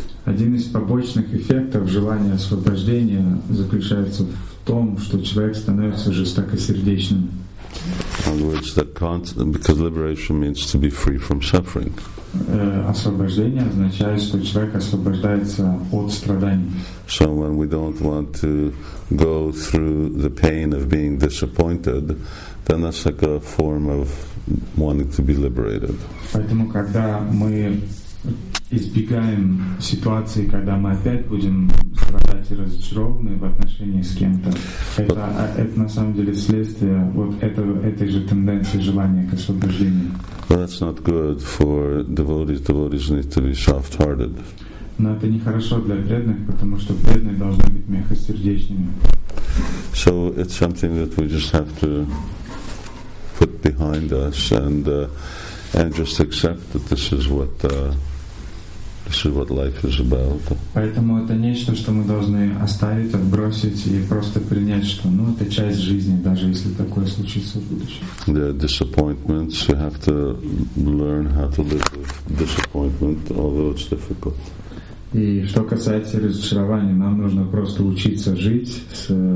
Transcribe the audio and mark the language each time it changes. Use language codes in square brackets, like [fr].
[ru] Один из побочных эффектов желания освобождения заключается в том, что человек становится жестокосердечным. [en] In other words, because liberation means to be free from suffering. [ru] Освобождение означает, что человек освобождается от страданий. [en] So when we don't want to go through the pain of being disappointed, then that's like a form of wanting to be liberated. [ru] Поэтому, когда мы избегаем ситуации, когда мы опять будем страдать и разочарованы в отношении с кем-то. Это на самом деле следствие вот этой же тенденции желания к освобождению. [en] But that's not good for devotees. Devotees need to be soft-hearted. [ru] Но это нехорошо для преданных, потому что преданные должны быть мягкосердечными. [en] So it's something that we just have to put behind us and just accept that this is what life is about. [ru] Поэтому это нечто, что мы должны оставить, отбросить и просто принять, что, ну, это часть жизни, даже если такое случится в будущем. [en] The disappointments, you have to learn how to live with disappointment, although it's difficult. [ru] И что касается разочарования, нам нужно просто учиться жить с